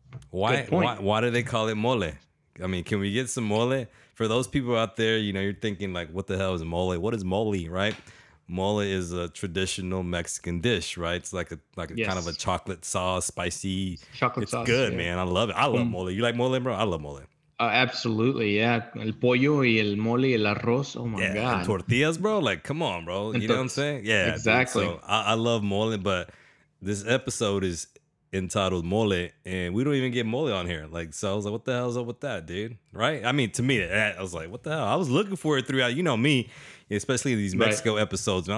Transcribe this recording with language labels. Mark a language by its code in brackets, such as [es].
[en] Why do they call it Mole? I mean, can we get some mole? For those people out there, you know, you're thinking like, what the hell is mole? What is mole, right? Mole is a traditional Mexican dish, right? It's like a kind of a chocolate sauce, spicy. Chocolate sauce. Good, yeah. Man. I love it. I love mole. You like mole, bro? I love mole. Absolutely, yeah. [es] El pollo y el mole y el arroz. [en] Oh, my God. And tortillas, bro? Like, come on, bro. You know what I'm saying? Yeah. Exactly. Dude, so I love mole, but this episode is entitled Mole, and we don't even get mole on here. Like, so I was like, what the hell is up with that, dude? Right? I mean, to me, that I was like, what the hell? I was looking for it throughout, you know me, especially these Mexico episodes.